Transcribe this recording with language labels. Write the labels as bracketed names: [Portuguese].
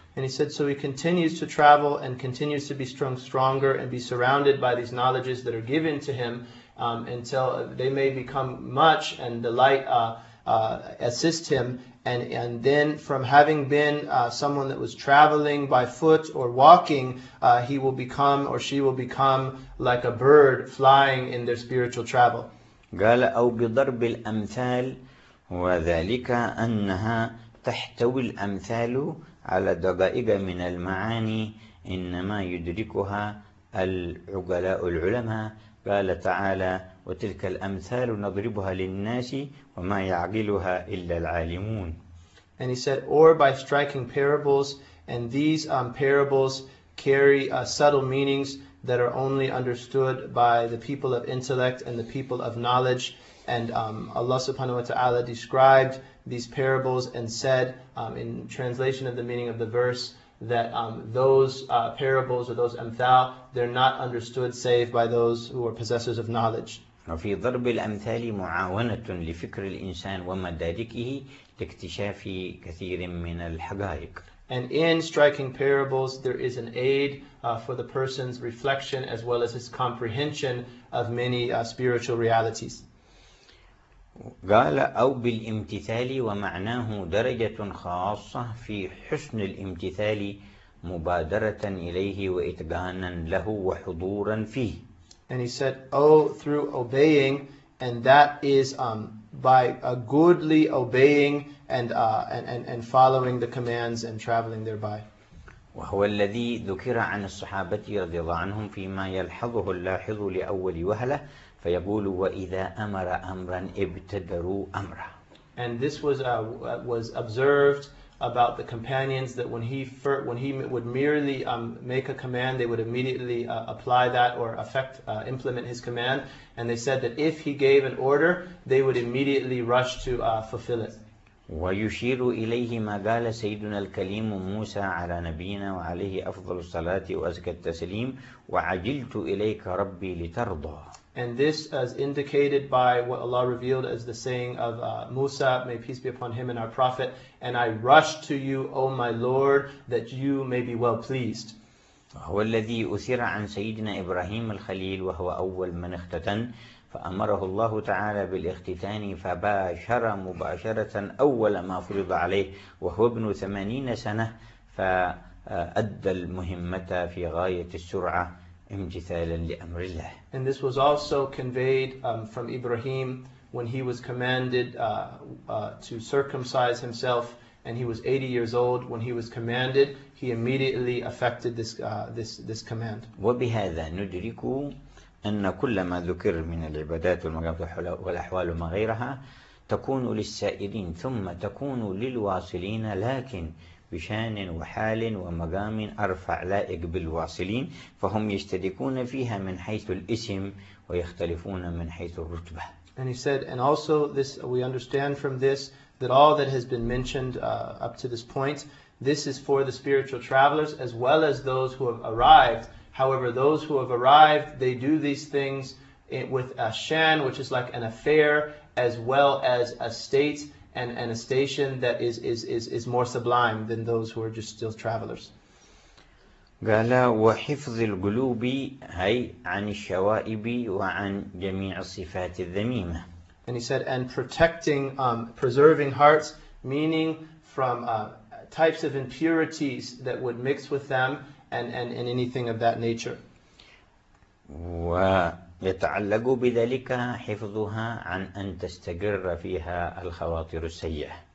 [English] And he said, so he continues to travel and continues to be stronger and be surrounded by these knowledges that are given to him until they may become much and the light assist him. And then from having been someone that was traveling by foot or walking, he will become or she will become like a bird flying in their spiritual travel. [Arabic] قال أو بضرب الأمثال وذلك أنها تحتوي الأمثال على دقائق من المعاني إنما يدركها العقلاء العلماء. قال تعالى وتلك الأمثال نضربها للناس وما يعقلها إلا العالمون. [English] And he said, or by striking parables, and these parables carry subtle meanings that are only understood by the people of intellect and the people of knowledge. And Allah subhanahu wa ta'ala described these parables and said, in translation of the meaning of the verse, that those parables or those amthal, they're not understood save by those who are possessors of knowledge. [Arabic] وفي ضرب الأمثال معاونة لفكر الإنسان ومداركه لاكتشاف كثير من الحقائق. [English] And in striking parables, there is an aid for the person's reflection as well as his comprehension of many spiritual realities. [Arabic] قال أو بالامتثال ومعناه درجة خاصة في حسن الامتثال مبادرة إليه وإتقانا له وحضورا فيه. [English] And he said, oh, through obeying, and that is by a goodly obeying and following the commands and traveling thereby. [Arabic] وهو الذي ذكر عن الصحابة رضي الله عنهم فيما يلحظه اللاحظ لأول وهلة فيقول وإذا أمر أمرا ابتدروا أمره. [English] And this was observed about the companions that when he would merely make a command, they would immediately apply that or affect implement his command. And they said that if he gave an order, they would immediately rush to fulfill it. [Arabic] ويشير إليه ما قال سيدنا الكليم موسى على نبينا وعليه أفضل الصلاة وأزكى التسليم وعجلت إليك ربي لترضى. [English] And this is indicated by what Allah revealed as the saying of Musa, may peace be upon him and our prophet, and I rush to you, O my Lord, that you may be well pleased. [Arabic] هو الذي أثر عن سيدنا إبراهيم الخليل وهو أول من اختتن فأمره الله تعالى بالاختتان فباشر مباشرة أول ما فرض عليه وهو ابن 80 سنة فأدى المهمة في غاية السرعة امتثالا لأمر الله. [English] And this was also conveyed from Ibrahim when he was commanded to circumcise himself, and he was 80 years old when he was commanded. He immediately effected this command. [Arabic] وبهذا ندرك أن كل ما ذكر من العبادات والمقامات والأحوال وما غيرها تكون للسائرين ثم تكون للواصلين لكن بشان وحال ومقام أرفع لائق بالواصلين فهم يشتركون فيها من حيث الاسم ويختلفون من حيث الرتبة. [English] And he said, and also this, we understand from this that all that has been mentioned up to this point, this is for the spiritual travelers as well as those who have arrived. However, those who have arrived, they do these things with a shan, which is like an affair, as well as a state and a station that is more sublime than those who are just still travelers. [Arabic] قال وحفظ القلوب هي عن الشوائب وعن جميع الصفات الذميمة. [English] And he said, and protecting, preserving hearts, meaning from types of impurities that would mix with them and anything of that nature. [Arabic] ويتعلق بذلك حفظها عن أن تستقر فيها الخواطر السيئة.